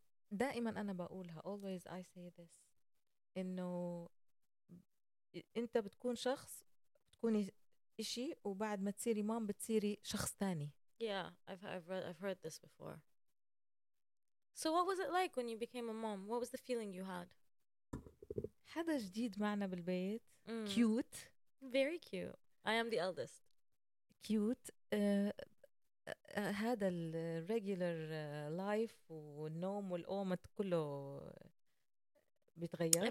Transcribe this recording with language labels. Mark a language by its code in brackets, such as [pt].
[ar] دائما أنا بقولها, [en] always I say this, [ar] إنه أنت بتكون شخص, بتكوني إشي, وبعد ما تصيري مام بتصيري شخص تاني. [en] Yeah, I've heard this before. So what was it like when you became a mom? What was the feeling you had? [ar] حدا جديد معنا بالبيت. Cute. [en] Very cute. I am the eldest. Cute. [ar] هذا [en] الريجولر لايف [ar] والنوم والقومة كله بيتغير.